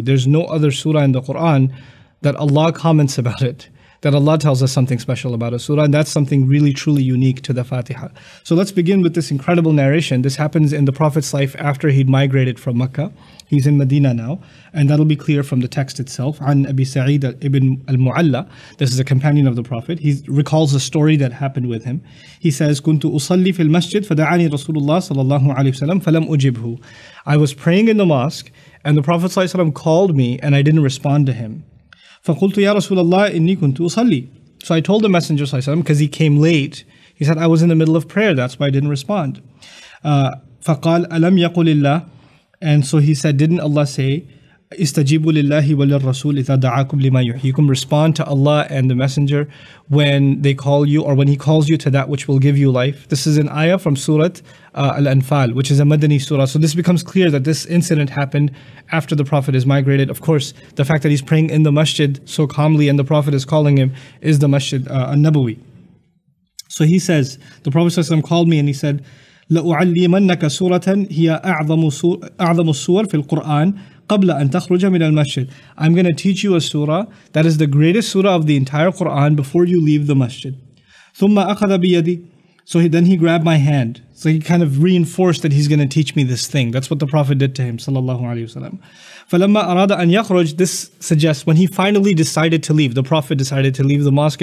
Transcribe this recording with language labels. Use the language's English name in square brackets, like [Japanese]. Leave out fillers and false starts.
[English] There's no other surah in the Quran that Allah comments about it, that Allah tells us something special about a surah, and that's something really truly unique to the Fatiha. So let's begin with this incredible narration. This happens in the Prophet's life after he'd migrated from Mecca. He's in Medina now, and that'll be clear from the text itself. An Abi Sa'id ibn al-Mu'alla, this is a companion of the Prophet, he recalls a story that happened with him. He says, [Arabic] كنت أصلي في المسجد فدعاني رسول الله صلى الله عليه وسلم فلم أجبه. [English] I was praying in the mosque, and the Prophet ﷺ called me, and I didn't respond to him. [Arabic] فَقُلْتُ يَا رَسُولَ اللَّهِ إِنِّي كُنْتُ أُصَلِّي. [English] So I told the Messenger ﷺ, because he came late, he said, I was in the middle of prayer, that's why I didn't respond. [Arabic] فَقَالْ أَلَمْ يَقُلِ اللَّهِ. [English] And so he said, didn't Allah say, [Arabic] إِسْتَجِيبُ لِلَّهِ وَلِلْرَّسُولِ إِذَا دَعَاكُمْ لِمَا يُحْيِيكُمْ. [English] Respond to Allah and the Messenger when they call you, or when he calls you to that which will give you life. This is an ayah from Surah Al-Anfal, which is a Madani surah. So this becomes clear that this incident happened after the Prophet is migrated. Of course, the fact that he's praying in the masjid so calmly and the Prophet is calling him is the masjid al-Nabawi. So he says, the Prophet ﷺ called me and he said, [Arabic] لَأُعَلِّمَنَّكَ سُورَةً هِيَ أَعْظَمُ السُّورَ فِي الْقُرْآنِ قَبْلَ أَن تَخْرُجَ مِنَ الْمَسْجِدِ. [English] I'm going to teach you a surah that is the greatest surah of the entire Quran before you leave the masjid. [Arabic] ثُمَّ أَخَذَ بِيَدِي. [English] So then he grabbed my hand. So he kind of reinforced that he's going to teach me this thing. That's what the Prophet did to him, sallallahu alayhi wa sallam. [Arabic] فَلَمَّا أَرَادَ أَن يَخْرُجَ. [English] This suggests when he finally decided to leave, the Prophet decided to leave the mosque.